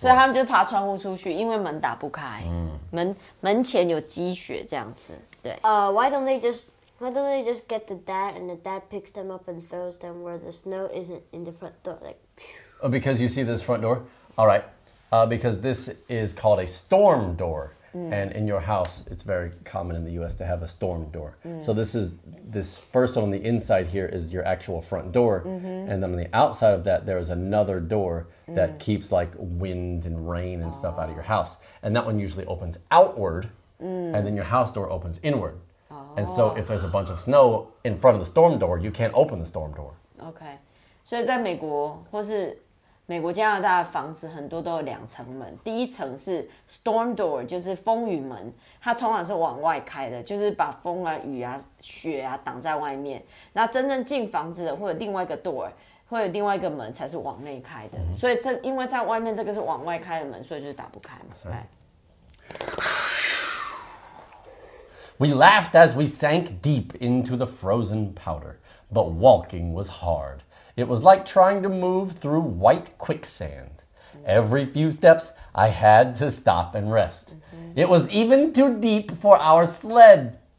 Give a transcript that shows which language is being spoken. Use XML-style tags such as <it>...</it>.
<zh>所以他们就爬窗户出去，因为门打不开。门前有积雪这样子。对。</zh> <en>Why don't they just get the dad and the dad picks them up and throws them where the snow isn't in the front door, like. Oh, because you see this front door? All right. Because this is called a storm door. And in your house, it's very common in the U.S. to have a storm door. So this first one on the inside here is your actual front door. And then on the outside of that, there is another door that keeps like wind and rain and stuff out of your house. And that one usually opens outward. And then your house door opens inward. And so if there's a bunch of snow in front of the storm door, you can't open the storm door. Okay.</en> <zh>所以在美国或是美国加拿大的房子很多都有两层门，第一层是 storm door， 就是风雨门，它通常是往外开的，就是把风啊雨啊雪啊挡在外面，那真正进房子的会有另外一个 door， 会有另外一个门才是往内开的，所以这因为在外面这个是往外开的门，所以就是打不开嘛，对。</zh> <en>We laughed as we sank deep into the frozen powder, but walking was hard. It was like trying to move through white quicksand. Every few steps, I had to stop and rest. It was even too deep for our sled.</en>